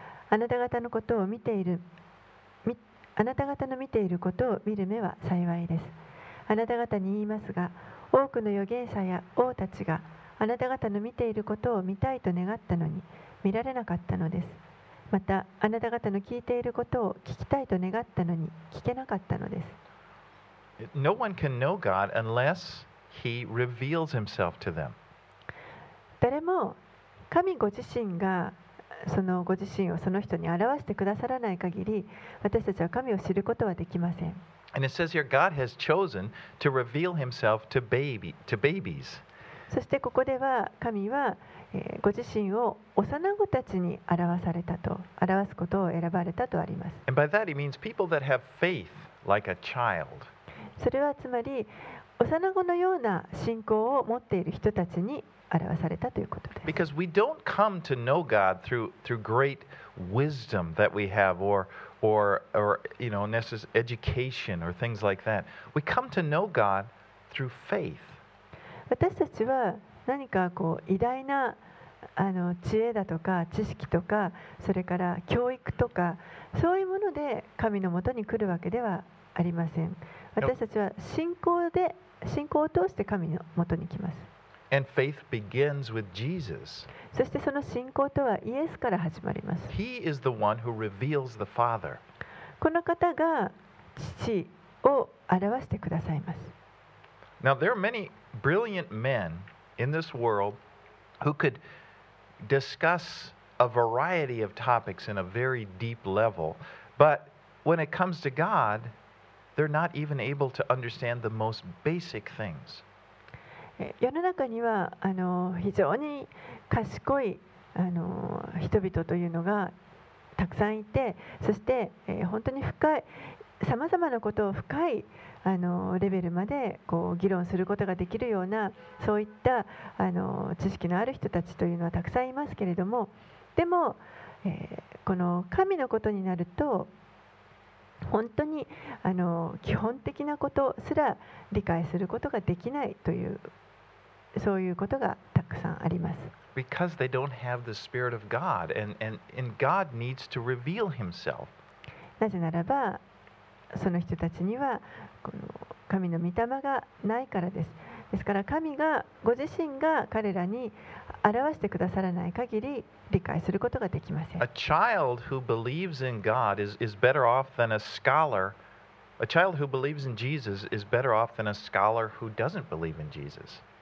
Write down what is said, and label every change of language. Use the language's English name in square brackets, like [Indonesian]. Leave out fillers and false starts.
[Japanese] あなた方のことを見ている、あなた方の見ていることを見る目は幸いです。あなた方に言いますが、多くの預言者や王たちがあなた方の見ていることを見たいと願ったのに見られなかったのです。またあなた方の聞いていることを聞きたいと願ったのに聞けなかったのです。 [English] No one can know God unless he reveals himself to them. [Japanese] 誰も神ご自身がそのご自身をその人に表してくださらない限り、私たちは神を知ることはできません。 [English] And it says here God has chosen to reveal himself to babies. [Japanese] そしてここでは神はご自身を幼子たちに表されたと、表すことを選ばれたとあります。 [English] And by that he means people that have faith like a child. [Japanese] それはつまり幼子のような信仰を持っている人たちに表されたということです。 [English] Because we don't come to know God through great wisdom that we have or you know, necessary education or things like that. We come to know God through faith. [Japanese] 私たちは何かこう偉大な知恵だとか知識とか、それから教育とか、そういうもので神のもとに来るわけではありません。私たちは信仰を通して神のもとに来ます。 [English] And faith begins with Jesus. [Japanese] そしてその信仰とはイエスから始まります。 [English] He is the one who reveals the Father. [Japanese] この方が父を表してくださいます。 [English] Now there are many brilliant menin this world who could discuss a variety of topics in a very deep level, but when it comes to God, they're not even able to understand the most basic things. [Japanese] 世の中には非常に賢い人々というのがたくさんいて、そして本当に深いさまざまなことを深いレベルまでこう議論することができるようなそういった知識のある人たちというのはたくさんいますけれども、でも、この神のことになると本当に基本的なことすら理解することができないというそういうことがたくさんあります。 [English] Because they don't have the Spirit of God, and God needs to reveal Himself. [Japanese] なぜならば、その人たちにはこの神の御霊がないからです。ですから神がご自身が彼らに表してくださらない限り理解することができません。 [English] A child who believes in God is better off than a scholar. A child who believes in Jesus is better off than a scholar who doesn't believe in Jesus.